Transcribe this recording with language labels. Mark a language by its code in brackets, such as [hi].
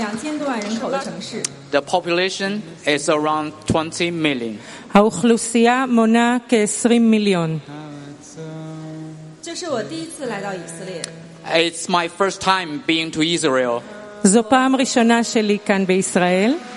[en] The population is around 20 million. [he] האוכלוסייה מונה כ-20 מיליון. [zh] 这是我第一次来到以色列. [en] It's my first time being to Israel. [he] זו פעם ראשונה שלי כאן בישראל.